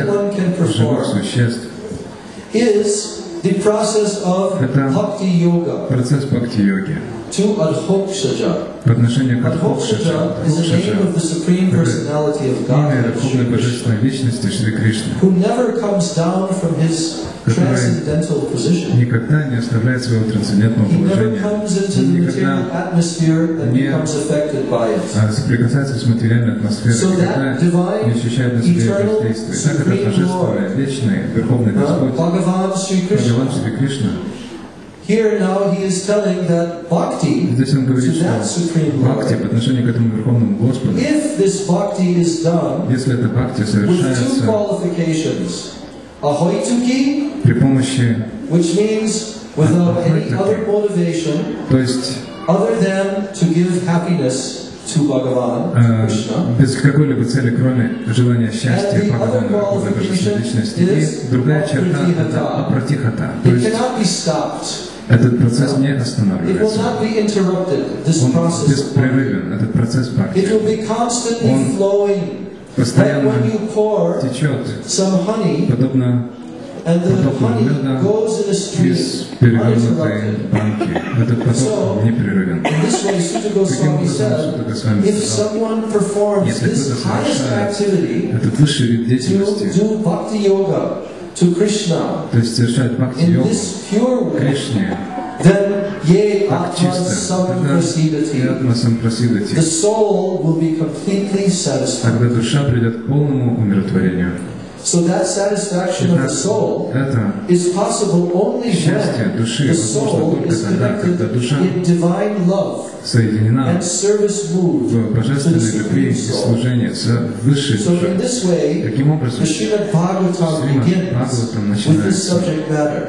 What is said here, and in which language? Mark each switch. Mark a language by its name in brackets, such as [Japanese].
[English] anyone can perform [Russian] живых существ, [English] is the process of bhakti yoga. [Russian] Это процесс бхакти-йоги. [English] To Adhokshaja. [Russian] По отношению к Адхокшаджа. [English] Адхокшаджа is the supreme personality of God. [Russian] Имя Верховной Божественной Личности Шри Кришны. [English] Who never comes down from his transcendental position. [Russian] Никогда не оставляет своего трансцендентного положения. [English] He never comes into the material atmosphere and becomes affected by it. [Russian] А соприкасается с материальной атмосферой. [English] So that divine, eternal, supreme Lord. [Russian] Вечный, Верховный Господь. Бхагаван Шри Кришна. [English] Here now he is telling that bhakti [Russian] говорит, [English] to that supreme Lord. [Russian] Bhakti, по отношению к этому Верховному Господу. [English] If this bhakti is done, [Russian] если эта бхакти совершается, [English] with two qualifications, ahoituki, [Russian] при помощи, [English] which means without any other motivation, [Russian] то есть, [English] other than to give happiness to Bhagavan, Krishna, [Russian] без какой-либо цели, кроме желания счастья Бхагавана, Божественной Личности, и другая черта – это апратихата. То есть, этот процесс не останавливается. [English] It will not be this [Russian] он беспрерывен, этот процесс бхакти. Он постоянно [English] when you pour [Russian] течет, [English] some honey, [Russian] подобно [English] and the honey goes in a stream uninterrupted. [Russian] Этот поток непрерывен. [English] In this way, Sutta Goswami said, if someone performs this highest activity [Russian] этот высший вид деятельности, [English] to do bhakti yoga to Krishna, [Russian] то есть совершает бхакти йогу [English] in this pure way, [Russian] Кришне, [English] then атма [Sanskrit] сампрасиддхи, [English] the soul will be completely satisfied. [Russian] Тогда душа придет к полному умиротворению. [English] So that satisfaction of the soul is possible only when the soul is connected in divine love and service moves to the Supreme Soul. So in this way, the Srimad Bhagavatam begins with this subject matter.